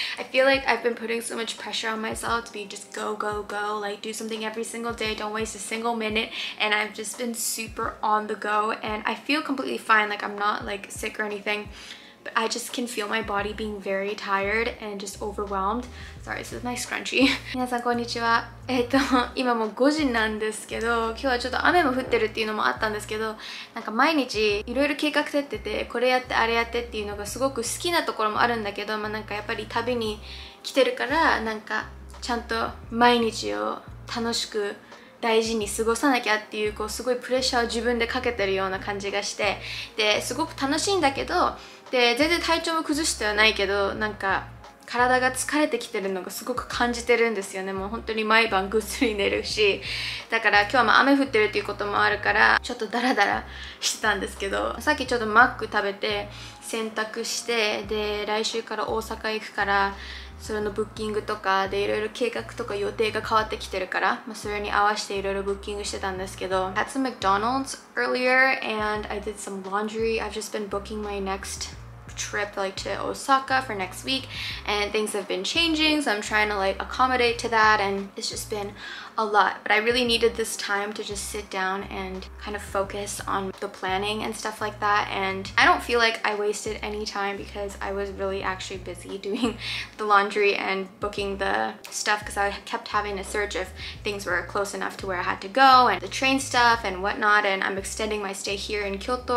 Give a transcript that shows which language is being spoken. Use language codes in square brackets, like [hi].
[en] I feel like I've been putting so much pressure on myself to be just go, go, go, like do something every single day, don't waste a single minute. And I've just been super on the go and I feel completely fine, like I'm not like sick or anything. But I just can feel my body being very tired and just overwhelmed. Sorry, this is my scrunchie. [ja] 皆さんこんにちは。今も5時なんですけど、今日はちょっと雨も降ってるっていうのもあったんですけど、なんか毎日いろいろ計画立ってて、これやってあれやってっていうのがすごく好きなところもあるんだけど、まあなんかやっぱり旅に来てるから、なんかちゃんと毎日を楽しく大事に過ごさなきゃっていう、こうすごいプレッシャーを自分でかけてるような感じがして、で、すごく楽しいんだけど、で、全然体調も崩してはないけど、なんか体が疲れてきてるのがすごく感じてるんですよね。もう本当に毎晩ぐっすり寝るし、だから今日はまあ雨降ってるっていうこともあるから、ちょっとダラダラしてたんですけど、さっきちょっとマック食べて、洗濯して、で、来週から大阪行くから、それのブッキングとかでいろいろ計画とか予定が変わってきてるから、まあ、それに合わせていろいろブッキングしてたんですけど [en] Had some McDonald's earlier and I did some laundry. I've just been booking my next trip like to Osaka for next week and things have been changing so I'm trying to like accommodate to that and it's just been a lot. But I really needed this time to just sit down and kind of focus on the planning and stuff like that and I don't feel like I wasted any time because I was really actually busy doing the laundry and booking the stuff because I kept having to search if things were close enough to where I had to go and the train stuff and whatnot and I'm extending my stay here in Kyoto.